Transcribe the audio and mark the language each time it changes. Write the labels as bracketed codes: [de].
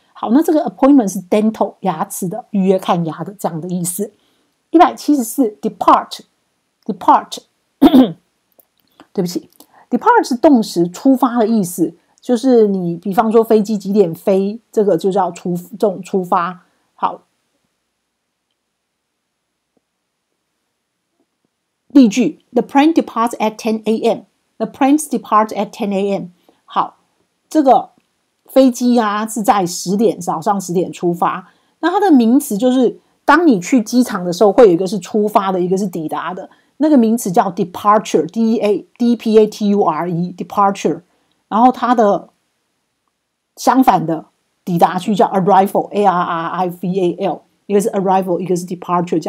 [zh] 好，那这个 appointment 是 dental 牙齿的预约看牙的这样的意思。 174 depart 对不起。 Depart 是动词，出发的意思，就是你比方说飞机几点飞，这个就叫出发。好，例句 [en] The plane departs at 10 a.m. The plane departs at 10 a.m. [zh] 好，这个飞机啊是在早上10点出发。那它的名词就是当你去机场的时候，会有一个是出发的，一个是抵达的。那个名词叫 departure， D-E-A-D-P-A-T-U-R-E， departure， 然后它的相反的抵达区叫 arrival， A-R-R-I-V-A-L， 一个是 arrival， 一个是 departure。